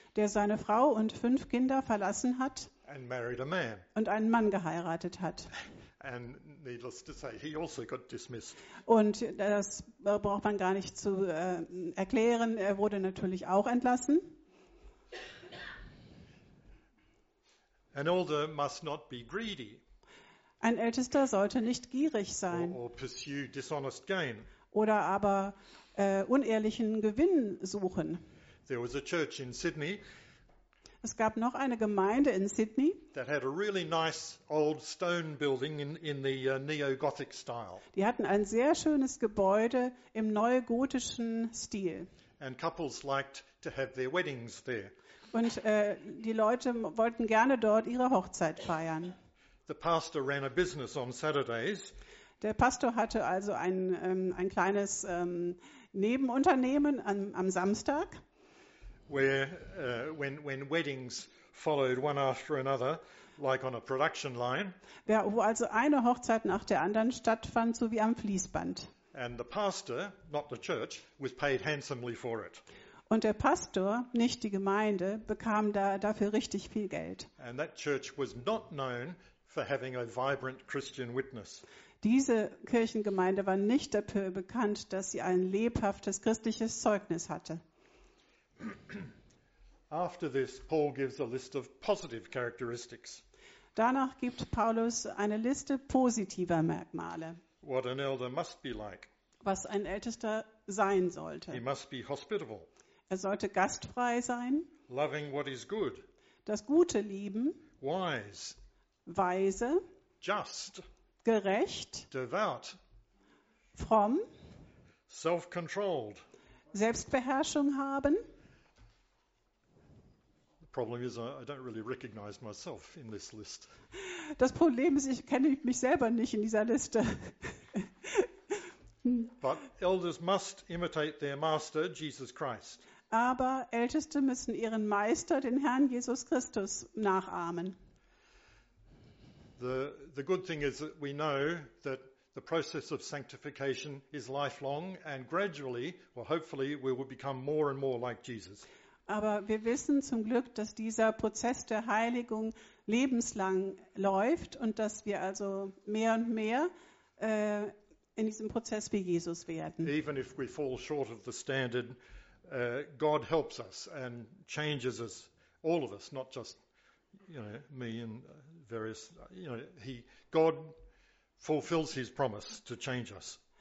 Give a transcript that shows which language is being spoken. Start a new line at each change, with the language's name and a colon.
German: der seine Frau und fünf Kinder verlassen hat
English: and married a man.
German: Und einen Mann geheiratet hat.
English: And needless to say, he also got dismissed.
German: Und das braucht man gar nicht zu erklären, er wurde natürlich auch entlassen.
English: An elder must not be greedy.
German: Ein Ältester sollte nicht gierig sein
English: or pursue dishonest gain.
German: Oder aber unehrlichen Gewinn suchen.
English: There was a church in Sydney,
German: es gab noch eine Gemeinde in Sydney,
English: that had a really nice old stone building in the neo-Gothic style.
German: Die hatten ein sehr schönes Gebäude im neugotischen Stil.
English: And couples liked to have their weddings there.
German: Und die Leute wollten gerne dort ihre Hochzeit feiern.
English: The pastor ran a business on Saturdays.
German: Der Pastor hatte also ein kleines Nebenunternehmen am Samstag.
English: Where when weddings followed one after another, like on a production line.
German: Ja, wo also eine Hochzeit nach der anderen stattfand, so wie am Fließband.
English: And the pastor, not the church, was paid handsomely for it.
German: Und der Pastor, nicht die Gemeinde, bekam da dafür richtig viel Geld.
English: And that church was not known for having a vibrant Christian witness.
German: Diese Kirchengemeinde war nicht dafür bekannt, dass sie ein lebhaftes christliches Zeugnis hatte.
English: After this, Paul gives a list of positive characteristics.
German: Danach gibt Paulus eine Liste positiver Merkmale.
English: What an elder must be like.
German: Was ein Ältester sein sollte.
English: He must be hospitable.
German: Er sollte gastfrei sein.
English: Loving what is good.
German: Das Gute lieben.
English: Wise.
German: Weise,
English: just,
German: gerecht,
English: devout,
German: fromm,
English: self-controlled,
German: Selbstbeherrschung haben.
English: The problem is I don't really recognize myself in this list.
German: Das Problem ist, ich kenne mich selber nicht in dieser Liste.
English: But elders must imitate their master, Jesus Christ.
German: Aber Älteste müssen ihren Meister, den Herrn Jesus Christus, nachahmen.
English: The good thing is that we know that the process of sanctification is lifelong and gradually, well hopefully, we will become more and more like Jesus.
German: Aber wir wissen zum Glück, dass dieser Prozess der Heiligung lebenslang läuft und dass wir also mehr und mehr in diesem Prozess wie Jesus werden.
English: Even if we fall short of the standard, God helps us and changes us, all of us, not just me and various, God fulfills his promise to change us.